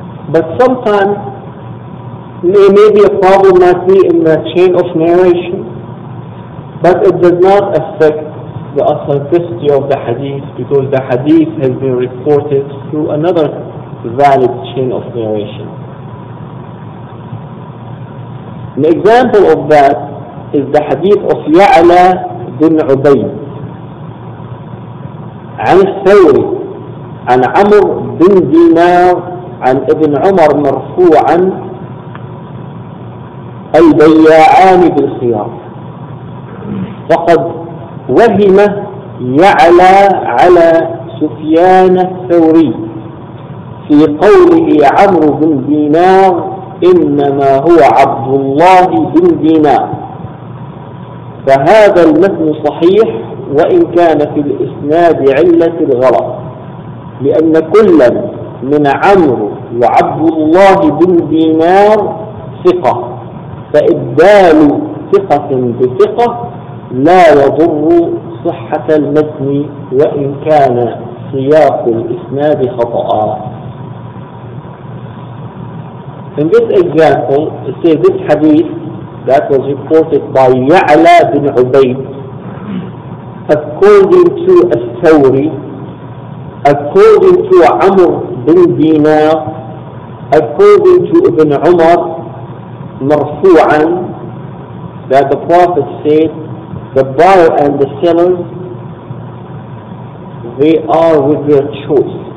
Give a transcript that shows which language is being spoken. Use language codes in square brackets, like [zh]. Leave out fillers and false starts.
[en] But sometimes there may be a problem, might be in the chain of narration, but it does not affect the authenticity of the hadith, because the hadith has been reported through another valid chain of narration. An example of that is the hadith of Ya'la bin Ubayd [ar] عن الثوري عن عمر بن دينار عن ابن عمر مرفوعا البياعان بالخيار فقد وهم يعلى على سفيان الثوري في قوله عمر بن دينار إنما هو عبد الله بن دينار فهذا المتن صحيح وإن كان في الإسناد علة الغلط لأن كل من عمرو وعبد الله بن دينار ثقة فإبدال ثقة بثقة لا يضر صحة المتن وإن كان سياق الإسناد خطأ. [en] In this example, it says this hadith that was reported by Ya'la bin Ubayd according to Al-Thawri, according to Amr bin Dinar, according to Ibn Umar, marfu'an, that the Prophet said, the buyer and the seller, they are with their choice.